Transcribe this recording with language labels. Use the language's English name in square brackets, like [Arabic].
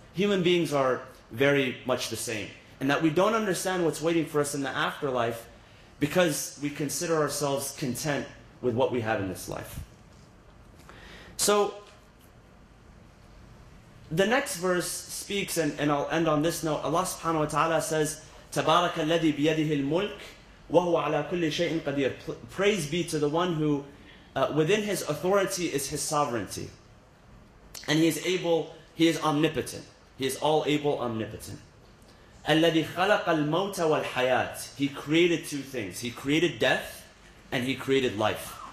[English] Human beings are very much the same. And that we don't understand what's waiting for us in the afterlife because we consider ourselves content with what we have in this life. So, the next verse speaks, and I'll end on this note. Allah subhanahu wa ta'ala says, [Arabic] تَبَارَكَ الَّذِي بِيَدِهِ الْمُلْكِ وَهُوَ عَلَى كُلِّ شَيْءٍ قَدِيرٌ. [English] Praise be to the one who within his authority is his sovereignty. And he is able, he is omnipotent. He is all able, omnipotent. [Arabic] الَّذِي خَلَقَ الْمَوْتَ وَالْحَيَاةِ. [English] He created two things. He created death and he created life.